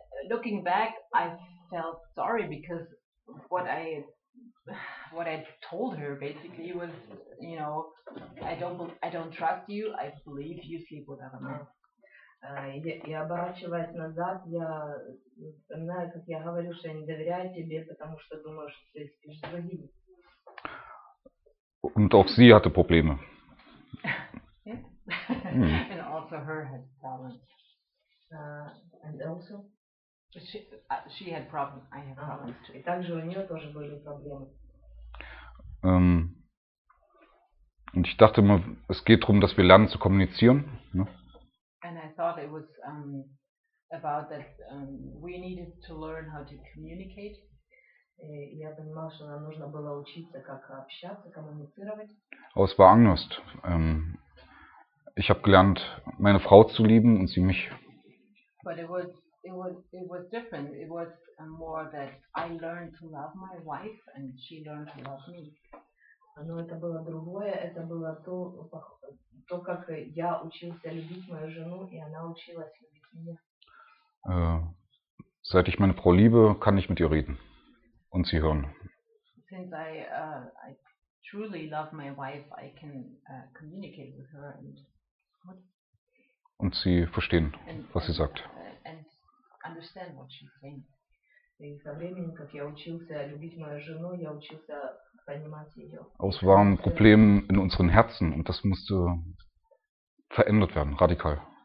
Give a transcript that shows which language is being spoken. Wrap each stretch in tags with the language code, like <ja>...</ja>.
<en>Looking back, I felt sorry because what I told her basically was, you know, I don't trust you. I believe you sleep with other men.</en> <ru>И оборачиваясь назад, я знаю, как я говорю, что я не доверяю тебе, потому что думаю, что ты спишь с другими.</ru> <de>Und auch sie hatte Probleme.</de> <en>And also her had problems. And also? She had problems. I had problems too.</en> <ru>И также у нее тоже были проблемы.</ru> <de>Und ich dachte immer, es geht darum, dass wir lernen zu kommunizieren. Ne?</de> <en>And I thought it was about that we needed to learn how to communicate.</en> <ru>Я понимал, что нам нужно было учиться, как общаться, коммуницировать.</ru> <de>Aber es war Angst. Ich habe gelernt, meine Frau zu lieben und sie mich.</de> <en>But it was different. It was more that I learned to love my wife and she learned to love me.</en> <ru>Но это было другое. Это было то, как я учился любить мою жену, и она училась любить меня.</ru> <de>Seit ich meine Frau liebe, kann ich mit ihr reden und sie hören.</de> <en>Since I truly love my wife, I can communicate with her</en> <de>und sie verstehen, and, was sie sagt.</de> <en>And understand what she's saying.</en> <ru>И со временем, как я учился любить мою жену, я учился понимать ее.</ru> <de>Es waren Probleme in unseren Herzen und das musste verändert werden, radikal.</de>